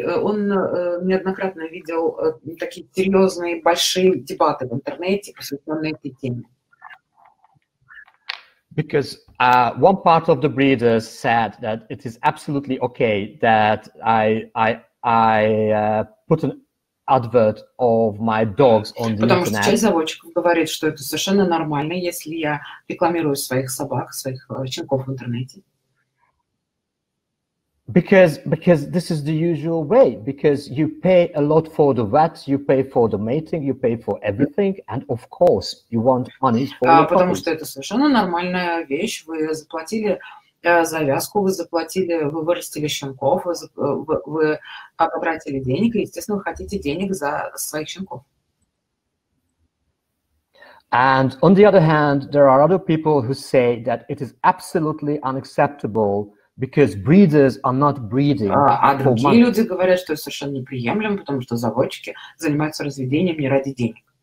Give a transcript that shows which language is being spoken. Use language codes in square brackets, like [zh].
[ru] Он неоднократно видел такие серьезные большие дебаты в интернете, посвященные этой теме. [en] Because one part of the breeders said that it is absolutely okay that I put an advert of my dogs on the [ru] Потому [en] internet. [ru] Потому что часть заводчиков говорит, что это совершенно нормально, если я рекламирую своих собак, своих щенков в интернете. [en] Because this is the usual way, because you pay a lot for the vet, you pay for the mating, you pay for everything, and of course you want money for the [ru] Потому puppies. Что это совершенно нормальная вещь. Вы заплатили за вязку, вы заплатили, вы вырастили щенков, вы потратили денег, и, естественно, вы хотите денег за своих щенков. [en] And on the other hand, there are other people who say that it is absolutely unacceptable because breeders are not breeding for money. [ru] А другие люди говорят, что это совершенно неприемлемо, потому что заводчики занимаются разведением не ради денег.